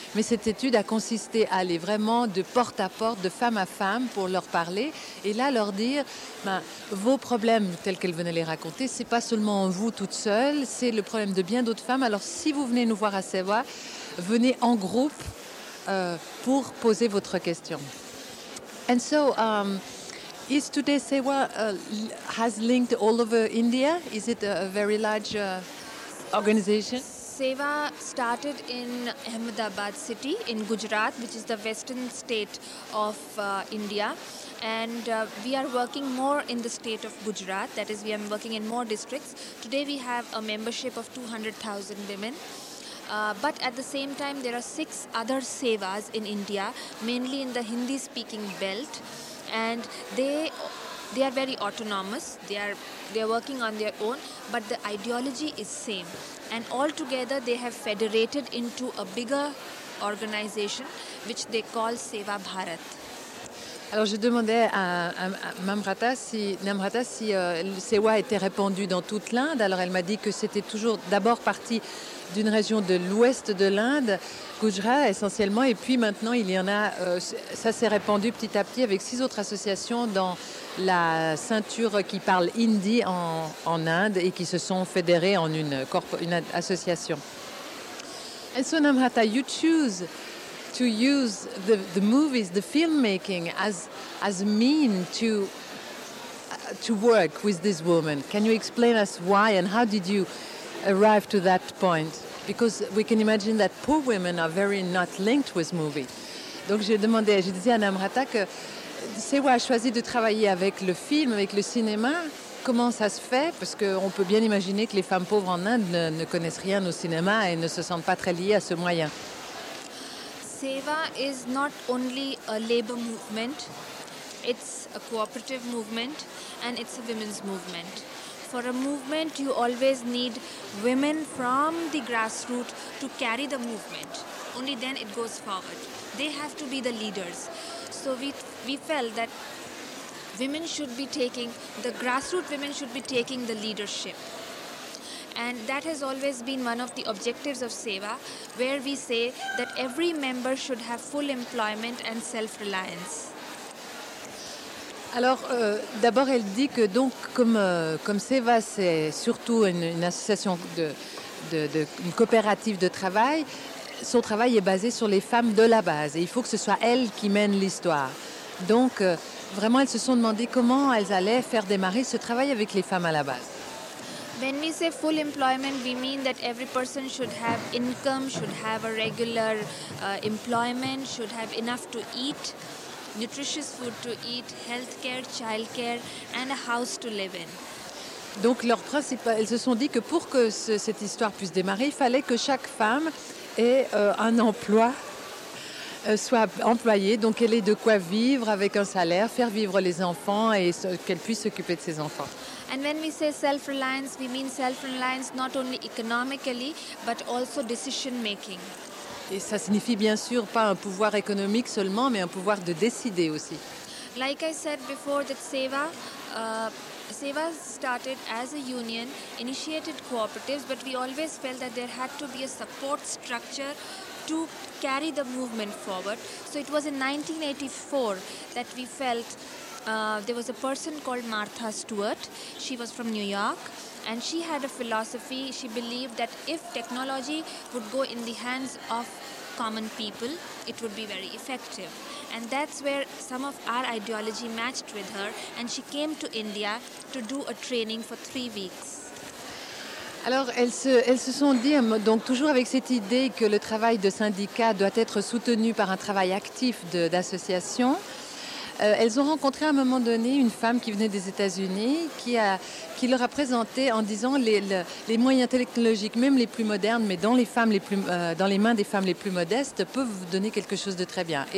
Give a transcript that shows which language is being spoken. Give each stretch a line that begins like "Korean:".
French: Mais cette étude a consisté à aller vraiment de porte à porte, de femme à femme, pour leur parler. Et là, leur dire, vos problèmes, tels qu'elles venaient les raconter, c'est pas seulement vous toute seule, c'est le problème de bien d'autres femmes. Alors si vous venez nous voir à Seva, venez en groupe. Pour poser votre question.
English: And so, is today Seva has linked all over India? Is it a very large organization? Seva started in Ahmedabad city in Gujarat, which is the western state of India. And we are working more in the state of Gujarat. That is, we are working in more districts. Today we have a membership of 200,000 women. But at the same time, there are six other Sevas in India, mainly in the Hindi-speaking belt, and they are very autonomous. They are working on their own, but the ideology is same. And all together, they have federated into a bigger organization, which they call Seva Bharat.
French: Alors je demandais à Mamrata si Seva était répandu dans toute l'Inde. Alors elle m'a dit que c'était toujours d'abord parti d'une région de l'ouest de l'Inde, Gujarat essentiellement, et puis maintenant il y en a, ça s'est répandu petit à petit avec six autres associations dans la ceinture qui parle hindi en Inde et qui se sont fédérées en une association.
English: And so Namrata, you choose to use the movies, the filmmaking as a mean to work with this woman. Can you explain us why and how did you arrive to that point? Because we can imagine that poor women are very not linked with movies.
French: Donc j'ai dit à Anna Amrata que Sewa a choisi de travailler avec le film, avec le cinéma. Comment ça se fait? Parce qu'on peut bien imaginer que les femmes pauvres en Inde ne connaissent rien au cinéma et ne se sentent pas très liées à ce moyen.
English: Seva is not only a labor movement, it's a cooperative movement and it's a women's movement. For a movement, you always need women from the grassroots to carry the movement. Only then it goes forward. They have to be the leaders. So we felt that women should be taking, the grassroots women should be taking the leadership. And that has always been one of the objectives of Seva, where we say that every member should have full employment and self-reliance.
French: Alors, d'abord, elle dit que donc, comme Seva, c'est surtout une association, une coopérative de travail, son travail est basé sur les femmes de la base. Et il faut que ce soit elles qui mènent l'histoire. Donc, vraiment, elles se sont demandé comment elles allaient faire démarrer ce travail avec les femmes à la base.
English: When we say full employment, we mean that every person should have income, should have a regular employment, should have enough to eat, nutritious food to eat, healthcare, childcare, and a house to live in.
French: Donc leur principal, elles se sont dit que pour que cette histoire puisse démarrer, il fallait que chaque femme ait un emploi, soit employée, donc elle ait de quoi vivre avec un salaire, faire vivre les enfants et qu'elle puisse s'occuper de ses enfants.
English: And when we say self-reliance, we mean self-reliance not only economically, but also decision-making.
French: Et ça signifie bien sûr pas un pouvoir économique seulement, mais un pouvoir de décider aussi.
English: Like I said before, that Seva, Seva started as a union, initiated cooperatives, but we always felt that there had to be a support structure to carry the movement forward. So it was in 1984 that we felt there was a person called Martha Stewart. She was from New York and she had a philosophy. She believed that if technology would go in the hands of common people, it would be very effective. And that's where some of our ideology matched with her and she came to India to do a training for 3 weeks.
French: Alors, elles se sont dit, donc toujours avec cette idée que le travail de syndicat doit être soutenu par un travail actif d'association, elles ont rencontré à un moment donné une femme qui venait des États-Unis qui leur a présenté en disant les moyens technologiques, même les plus modernes, mais dans les mains des femmes les plus modestes, peuvent donner quelque chose de très bien.